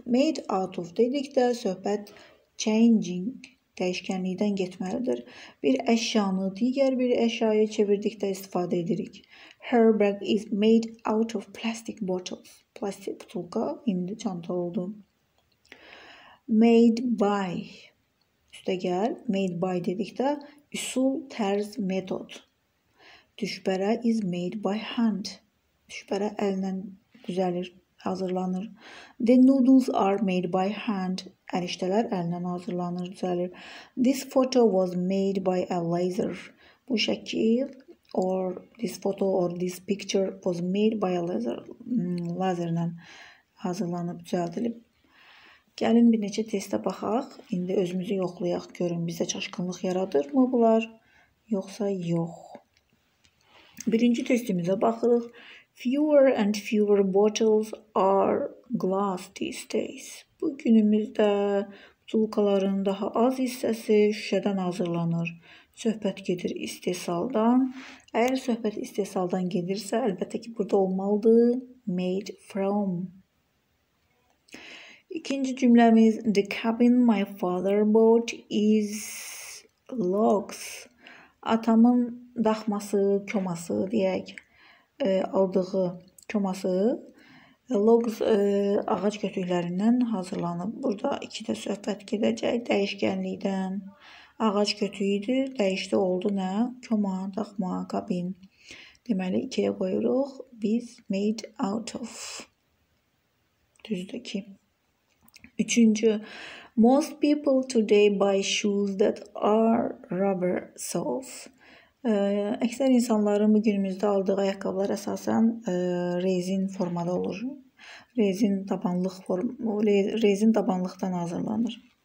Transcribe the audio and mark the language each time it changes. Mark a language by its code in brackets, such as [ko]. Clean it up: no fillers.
[az] Made out of dedikdə söhbət changing, dəyişkənlikdən getməlidir. Bir əşyanı digər bir əşyaya çevirdikdə istifadə edirik. [en] Her bag is made out of plastic bottles. [az] Plastik butulka indi çanta oldu. Made by, üstə gəl, made by dedikdə, üsul, tərz, metod. [en] Düşbərə is made by hand. [az] Düşbərə əllə düzəlir, hazırlanır. [en] The noodles are made by hand. [az] Əriştələr əllə hazırlanır, düzəlir. [en] This photo was made by a laser. [az] Bu şəkil, [en] or this photo, or this picture was made by a laser. [az] Lazerlə hazırlanıb, düzəldilib. Gəlin bir neçə testə baxaq. İndi özümüzü yoxlayaq. Görün, bizdə çaşqınlıq yaradır mı bunlar? Yoxsa yox. Birinci testimizə baxırıq. [en] Fewer and fewer bottles are glass these days. [az] Bu günümüzdə butulkaların daha az hissəsi şüşədən hazırlanır. Söhbət gedir istehsaldan. Əgər söhbət istehsaldan gedirsə, əlbəttə ki, burada olmalıdır. [en] Made from. [az] İkinci cümləmiz, [en] the cabin my father bought is logs. [az] Atamın daxması, koması deyək, aldığı koması logs ağac kötüklərindən hazırlanıb. Burada iki də söhbət gedəcək dəyişkənlikdən. Ağac kötüyüydü, dəyişdi oldu nə? Koma, daxma, cabin. Deməli, ikiyə qoyuruq, biz made out of. Düzdür ki. [en] Üçüncü, most people today buy shoes that are rubber soles. [az] Əksər insanların bugünümüzdə aldığı ayaqqabılar əsasən rezin formada olur. Rezin tabanlıqdan hazırlanır.